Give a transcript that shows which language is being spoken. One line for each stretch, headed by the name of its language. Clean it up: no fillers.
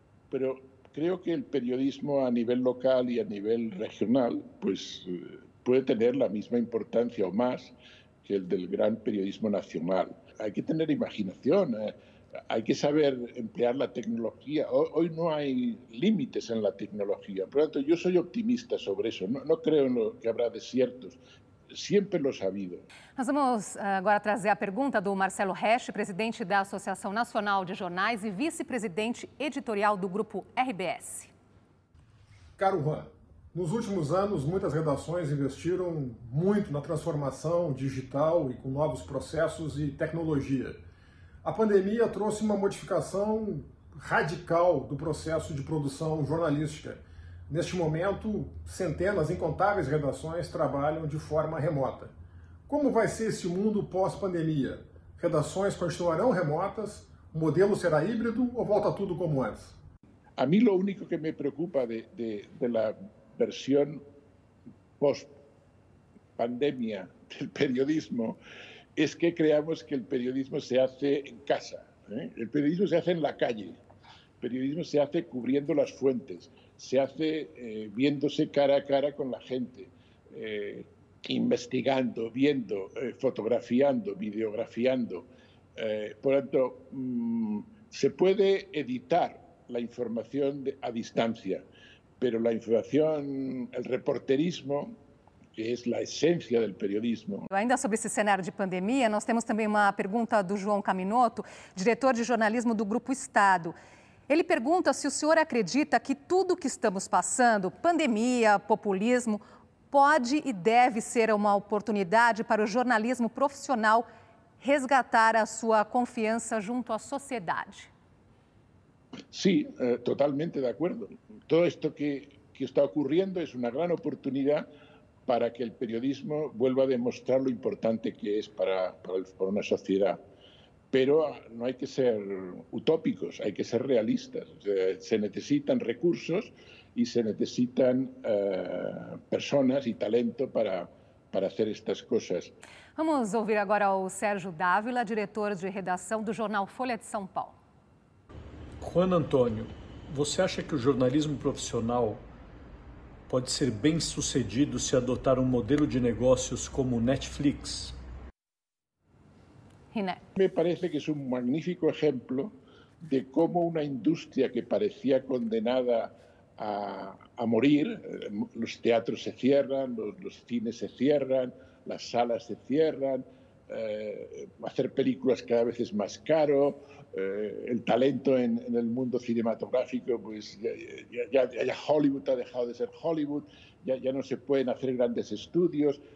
Spanish: Pero creo que el periodismo a nivel local y a nivel regional, pues puede tener la misma importancia o más que el del gran periodismo nacional. Hay que tener imaginación, hay que saber emplear la tecnología. Hoy no hay límites en la tecnología. Por lo tanto, yo soy optimista sobre eso. No creo en lo que habrá desiertos. Siempre lo he sabido.
Portuguese: Nós vamos agora trazer a pergunta do Marcelo Resch, presidente da Associação Nacional de Jornais e vice-presidente editorial do Grupo RBS. Caro Juan, nos últimos anos, muitas redações investiram muito na transformação digital e com novos processos e tecnologia. A pandemia trouxe uma modificação radical do processo de produção jornalística. Neste momento, centenas, incontáveis redações trabalham de forma remota. Como vai ser esse mundo pós-pandemia? Redações continuarão remotas? O modelo será híbrido ou volta tudo como antes? A mim, o único que me preocupa da versão pós-pandemia do periodismo é que
Spanish: creamos
Portuguese: que o periodismo se faz em casa. O periodismo se faz na
Spanish: calle.
Portuguese: O periodismo se faz
Spanish: cubriendo
Portuguese: as
Spanish: fuentes. Se hace viéndose cara a cara con la gente, investigando, viendo, fotografiando, videografiando. Por tanto, se puede editar la información a distancia, pero la información, el reporterismo, que es la esencia del periodismo.
Portuguese: Ainda sobre esse cenário de pandemia, nós temos também uma pergunta do João Caminoto, diretor de jornalismo do Grupo Estado. Ele pergunta se o senhor acredita que tudo o que estamos passando, pandemia, populismo, pode e deve ser uma oportunidade para o jornalismo profissional resgatar a sua confiança junto à sociedade. Sim, totalmente de acordo. Todo isto que está ocorrendo é uma grande oportunidade para que o periodismo
Spanish: vuelva a demostrar
Portuguese: o importante que é para uma sociedade.
Spanish: Pero no hay que ser utópicos, hay que ser realistas. Se necesitan recursos y se necesitan personas y talento para hacer estas cosas.
Portuguese: Vamos ouvir agora o Sérgio Dávila, diretor de redação do jornal Folha de São Paulo. Juan Antonio, você acha que o jornalismo profissional pode ser bem sucedido se adotar um modelo de negócios como Netflix?
Spanish: Me parece que es un magnífico ejemplo de cómo una industria que parecía condenada a morir, los teatros se cierran, los cines se cierran, las salas se cierran, hacer películas cada vez es más caro, el talento en el mundo cinematográfico, pues ya Hollywood ha dejado de ser Hollywood, ya no se pueden hacer grandes estudios.